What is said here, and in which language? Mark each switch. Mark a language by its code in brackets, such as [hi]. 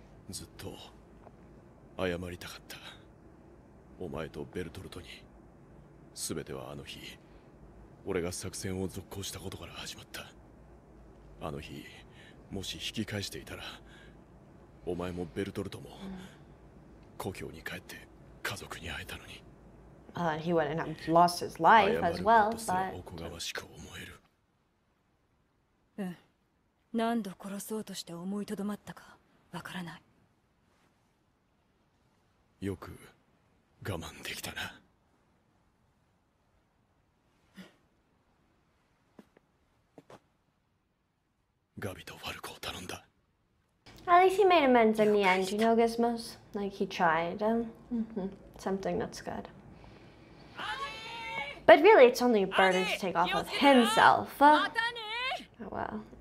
[ja] ずっと謝りたかった。お前とベルトルトに。すべてはあの日、俺が作戦を続行したことから始まった。あの日、もし引き返していたら。お前もベルトルトも故郷に帰って家族に会えたのに。 [en] He wouldn't have lost his life as well, but. [ja] 謝ることすらおこがましく思える。何度殺そうとして思いとどまったかわからない。よく我慢できたな。ガビとファルコを頼んだ。 [en] At least he made amends in the end, you know, Gizmos? Like, he tried. Something that's good. But really, it's only a burden to take off of himself. Oh, well.